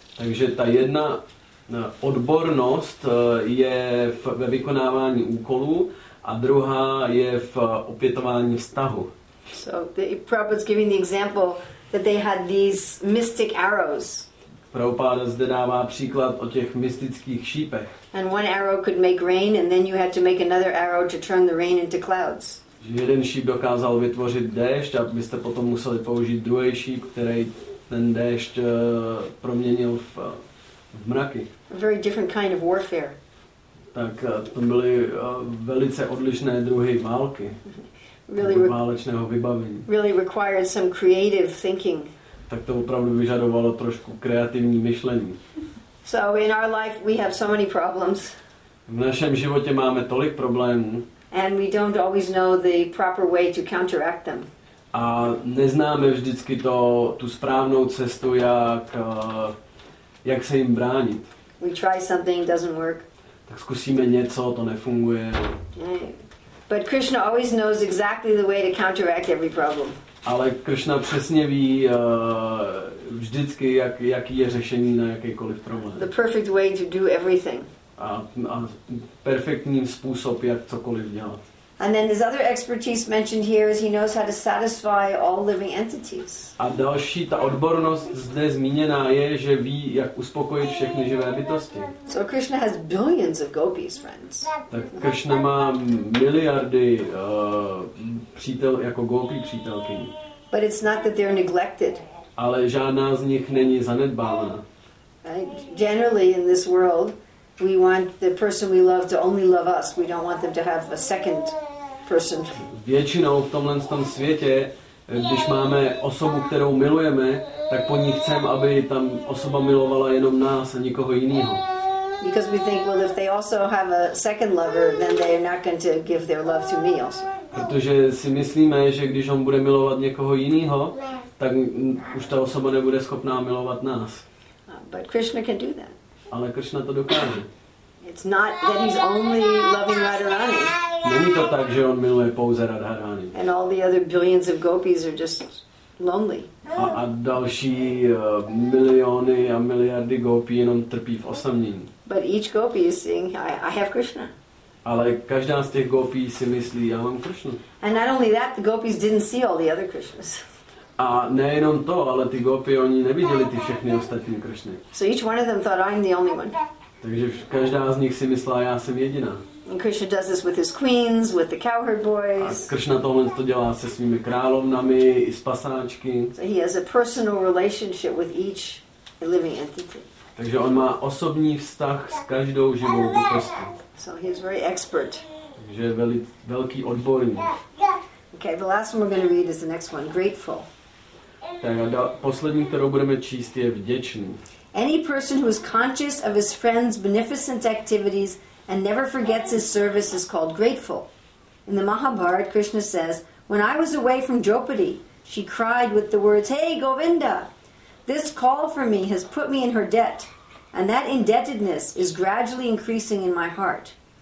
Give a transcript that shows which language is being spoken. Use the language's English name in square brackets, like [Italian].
[Czech] Takže ta jedna odbornost je ve vykonávání úkolů a druhá je v opětování vztahu. [English] So the Prabhupada's giving the example that they had these mystic arrows. [Czech] Prabhupada zde dává příklad o těch mystických šípech. [English] And one arrow could make rain and then you had to make another arrow to turn the rain into clouds. [Czech] Že jeden šíp dokázal vytvořit déšť a byste potom museli použít druhý šíp, který ten déšť proměnil v mraky. [English] A very different kind of warfare. [Czech] Tak to byly velice odlišné druhy války. [English] Really [Czech] válečného vybavení. [English] Really required some creative thinking. [Czech] Tak to opravdu vyžadovalo trošku kreativní myšlení. [English] So in our life we have so many problems. [Czech] V našem životě máme tolik problémů. [English] And we don't always know the proper way to counteract them. [Czech] a neznáme vždycky to, tu správnou cestu, jak, jak se jim bránit. [English] We try something, doesn't work. [Czech] Tak zkusíme něco, to nefunguje. [English] But Krishna always knows exactly the way to counteract every problem. [Czech] Ale Krishna přesně ví vždycky, jak, jaký je řešení na jakýkoliv problém. [English] The perfect way to do everything. [Czech] A perfektním způsob, jak cokoliv dělat. [English] And then his other expertise mentioned here is he knows how to satisfy all living entities. [Czech] A další ta odbornost zde zmíněná je, že ví, jak uspokojit všechny živé bytosti. [English] So Krishna has billions of gopis, friends. [Czech] Tak Krishna má miliardy přítel jako gopí přítelkyní. [English] But it's not that they're neglected. [Czech] Ale žádná z nich není zanedbávána. [English] Generally in this world we want the person we love to only love us. We don't want them to have a second person. [Czech] Většinou v tomhle tom světě, když máme osobu, kterou milujeme, tak po ní chceme, aby tam osoba milovala jenom nás a nikoho jiného. [English] Because we think, well, if they also have a second lover, then they're not going to give their love to me also. [Czech] Protože si myslíme, že když on bude milovat někoho jiného, tak už ta osoba nebude schopná milovat nás. [English] But Krishna can do that. [Czech] Ale Krishna to dokáže. [English] It's not that he's only loving Radharani. [Czech] Není to tak, že on miluje pouze Radharani. [English] And all the other billions of gopis are just lonely. [Czech] A další miliony a miliardy gopí jenom trpí v osamění. [English] But each gopi is saying, I have Krishna. [Czech] Ale každá z těch gopí si myslí, já mám Krishnu. [English] And not only that, the gopis didn't see all the other Krishnas. [Czech] A nejenom to, ale ty gopi, oni neviděli ty všechny ostatní Krishny. [English] So each one of them thought, I'm the only one. [Czech] Takže každá z nich si myslela, já jsem jediná. [English] And Krishna does this with his queens, with the cowherd boys. [Czech] A Krishna tohle to dělá se svými královnami i s pasáčky. [English] So he has a personal relationship with each living entity. [Czech] Takže on má osobní vztah s každou živou bytostí. [English] So he is very expert. [Czech] Takže je velký odborník. [English] Okay, the last one we're going to read is the next one, grateful. [Czech] Tak poslední, kterou budeme číst, je vděčný. [English] Any person who is conscious of his friend's beneficent activities and never forgets his service is called grateful. In the Mahabharat, Krishna says, when I was away from Draupadi, she cried with the words, hey, Govinda, this call for me has put me in her debt, and that indebtedness is gradually increasing in my heart.